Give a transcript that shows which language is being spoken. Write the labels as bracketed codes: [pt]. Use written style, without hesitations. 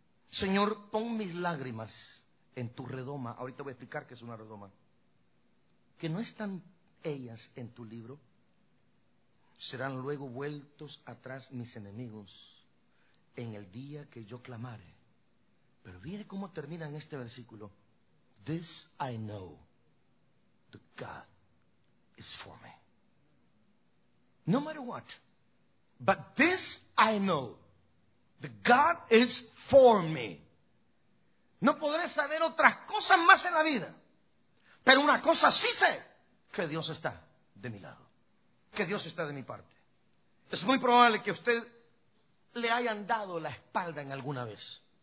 [es] Señor, pon mis lágrimas en tu redoma. Ahorita voy a explicar qué es una redoma. Que no están ellas en tu libro. Serán luego vueltos atrás mis enemigos en el día que yo clamare. Pero mire cómo termina en este versículo. [en] This I know, the God is for me. No matter what. But this I know, the God is for me. [es] No podré saber otras cosas más en la vida, pero una cosa sí sé, que Dios está de mi lado. que Dios está de mi parte. Es muy probable que usted le hayan dado la espalda en alguna vez.